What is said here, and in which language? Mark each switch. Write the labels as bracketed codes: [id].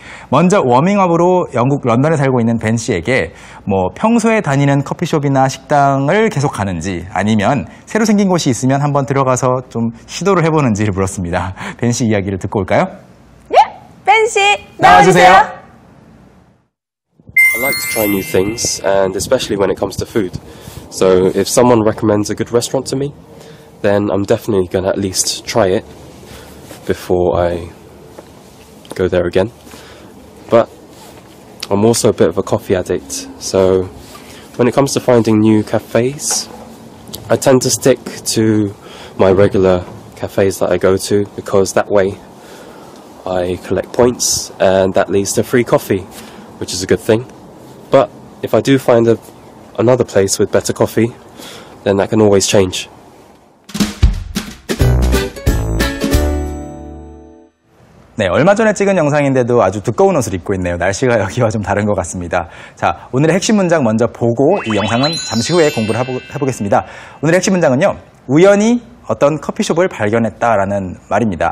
[ko] 먼저 워밍업으로 영국 런던에 살고 있는 벤 씨에게 뭐 평소에 다니는 커피숍이나 식당을 계속 가는지 아니면 새로 생긴 곳이 있으면 한번 들어가서 좀 시도를 해보는지를 물었습니다. 벤 씨 이야기를 듣고 올까요? 예! 벤 씨 나와주세요! [en] I like to try new things and especially when it comes to food. So if someone recommends a good restaurant to me, then I'm definitely going to at least try it before I go there again. But I'm also a bit of a coffee addict, so when it comes to finding new cafes, I tend to stick to my regular cafes that I go to because that way I collect points and that leads to free coffee, which is a good thing. But if I do find another place with better coffee, then that can always change. [ko] 네, 얼마 전에 찍은 영상인데도 아주 두꺼운 옷을 입고 있네요. 날씨가 여기와 좀 다른 것 같습니다. 자, 오늘의 핵심 문장 먼저 보고 이 영상은 잠시 후에 공부를 해보겠습니다. 오늘의 핵심 문장은요, 우연히 어떤 커피숍을 발견했다라는 말입니다.